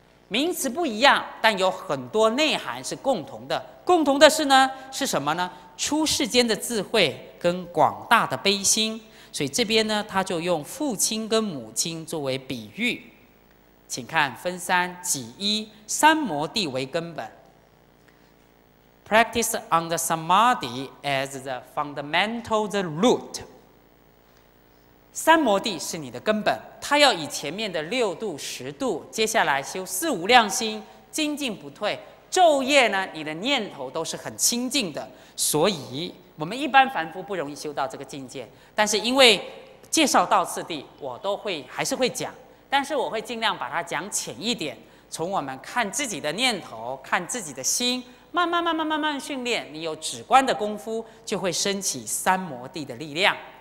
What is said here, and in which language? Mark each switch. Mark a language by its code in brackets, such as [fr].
[zh] 名词不一样，但有很多内涵是共同的。共同的是呢，是什么呢？出世间的智慧跟广大的悲心。所以这边呢，他就用父亲跟母亲作为比喻。请看分三几一，三摩地为根本。 [en] Practice on the samadhi as the fundamental, the root. [zh] 三摩地是你的根本，它要以前面的六度、十度，接下来修四无量心，精进不退。昼夜呢，你的念头都是很清净的，所以我们一般凡夫不容易修到这个境界。但是因为介绍到次第，我都会还是会讲，但是我会尽量把它讲浅一点，从我们看自己的念头，看自己的心，慢慢慢慢慢慢训练，你有止观的功夫，就会升起三摩地的力量。